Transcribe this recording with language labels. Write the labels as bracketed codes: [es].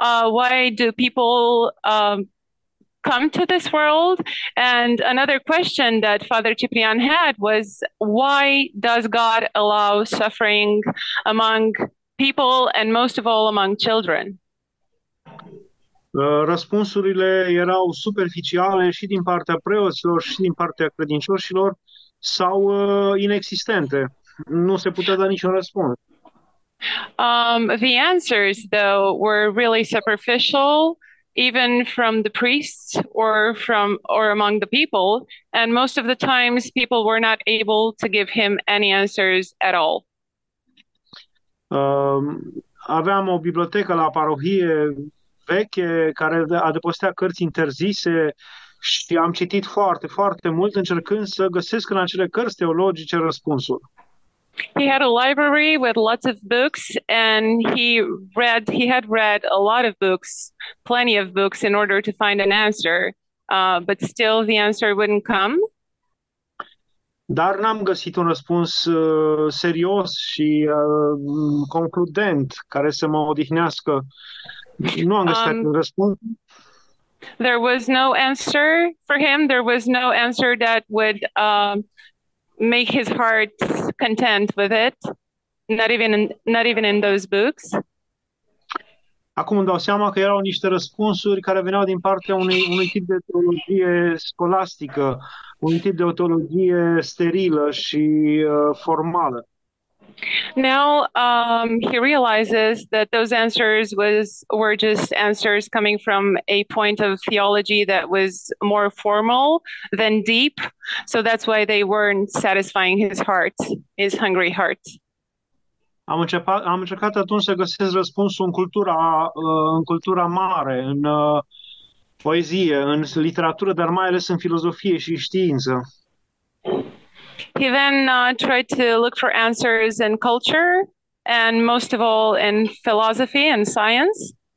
[en] Why do people come to this world? And another question that Father Ciprian had was, why does God allow suffering among people and most of all among children? [ro] Răspunsurile erau superficiale și din partea preoților și din partea credincioșilor. Sau inexistente. Nu se putea da niciun răspuns. [en] The answers, though, were really superficial, even from the priests or among the people, and most of the times people were not able to give him any answers at all. [ro] Aveam o bibliotecă la parohie veche, care adăpostea cărți interzise și am citit foarte, foarte mult, încercând să găsesc în acele cărți teologice răspunsul. [en] He had a library with lots of books, and he had read a lot of books, plenty of books, in order to find an answer. But still, the answer wouldn't come. [ro] Dar n-am găsit un răspuns serios și concludent care să mă odihnească. Nu am găsit acel răspuns. [en] There was no answer for him. There was no answer that would make his heart content with it, not even in those books. [ro] Acum îmi dau seama că erau niște răspunsuri care veneau din partea unui tip de teologie scolastică, un tip de teologie sterilă și formală. [en] Now, he realizes that those answers were just answers coming from a point of theology that was more formal than deep. So that's why they weren't satisfying his heart, his hungry heart. [ro] Am încercat atunci să găsesc răspunsul în cultura mare, în poezie, în literatură, dar mai ales în filozofie și știință. [en] He then tried to look for answers in culture and most of all in philosophy and science.